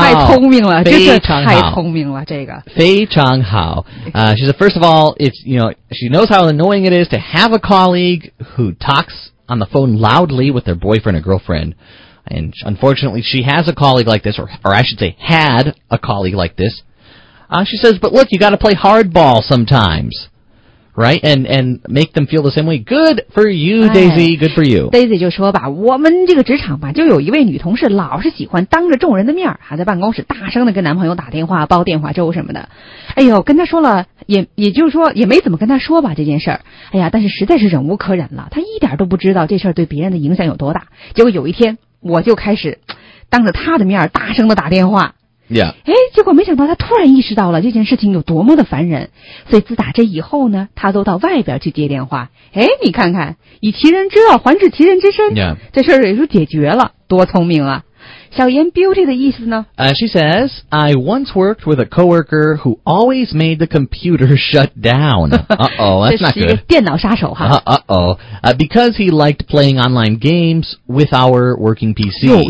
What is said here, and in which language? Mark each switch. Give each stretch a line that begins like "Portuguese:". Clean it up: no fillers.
Chinese: 太聪明了非常好这太聪明了这个。非常好。
English: She said, first of all, it's, you know, she knows how annoying it is to have a colleague who talks on the phone loudly with their boyfriend or girlfriend. And unfortunately, she has a colleague like this, or I should say, had a colleague like this. She says, but look, you got to play hardball sometimes, right? And make them feel the same way. Good for you, Daisy. Good for you.
Chinese: Daisy 就说吧，我们这个职场吧，就有一位女同事老是喜欢当着众人的面还在办公室大声的跟男朋友打电话、煲电话粥什么的。哎呦，跟她说了，也就是说，也没怎么跟她说吧这件事儿。哎呀，但是实在是忍无可忍了，她一点都不知道这事儿对别人的影响有多大。结果有一天。我就开始当着他的面大声的打电话。
English: Yeah.
Chinese: 哎，结果没想到他突然意识到了这件事情有多么的烦人。所以自打这以后呢，他都到外边去接电话。哎，你看看，以其人之道还治其人之身。
English: Yeah.
Chinese: 这事儿也就解决了，多聪明啊。小言 beauty 的意思呢
English: She says, I once worked with a coworker who always made the computer shut down. Uh-oh, that's not good.
Chinese: 这是一个电脑杀手哈。
English: Because he liked playing online games with our working PC.